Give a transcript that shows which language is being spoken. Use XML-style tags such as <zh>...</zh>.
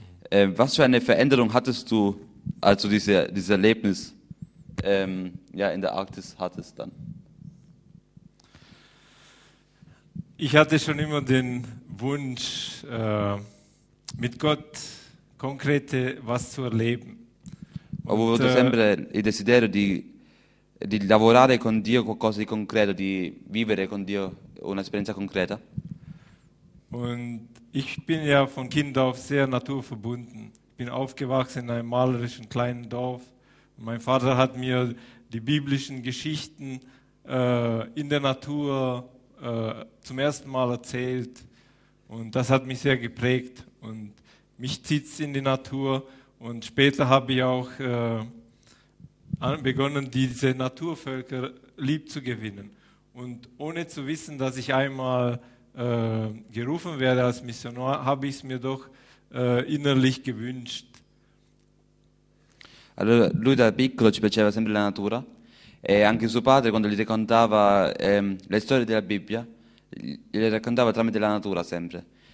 <de>Was für eine Veränderung hattest du, als du dieses Erlebnis ja, in der Arktis hattest dann? Ich hatte schon immer den Wunsch, mit Gott konkrete was zu erleben.</de> <it>Avevo sempre il desiderio di lavorare con Dio qualcosa di concreto, di vivere con Dio un'esperienza concreta.</it> <de>Und ich bin ja von Kind auf sehr naturverbunden. Ich bin aufgewachsen in einem malerischen kleinen Dorf. Mein Vater hat mir die biblischen Geschichten in der Natur zum ersten Mal erzählt und das hat mich sehr geprägt und mich zieht es in die Natur und später habe ich auch begonnen, diese Naturvölker lieb zu gewinnen und ohne zu wissen, dass ich einmal gerufen werde als Missionar, habe ich es mir doch innerlich gewünscht.</de> <it>Allora, lui da piccolo ci piaceva sempre la natura. E anche suo padre, quando gli raccontava le storie della Bibbia, le raccontava tramite la natura sempre.</it>